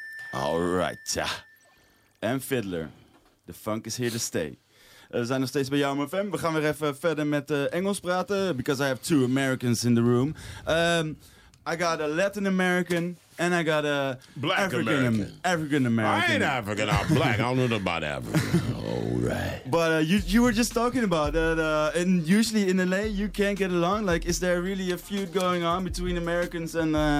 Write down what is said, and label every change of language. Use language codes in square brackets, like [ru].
[en] All right, ja. En Fiddler, the funk is here to stay. [nl] We zijn nog steeds bij Jarmo FM. We gaan weer even verder met Engels praten. [en] Because I have two Americans in the room. I got a Latin American and I got a Black African American. American. I ain't African, I'm black. I don't know about African. All right. But you were just talking about that. And usually in LA, you can't get along. Like, is there really a feud going on between Americans and...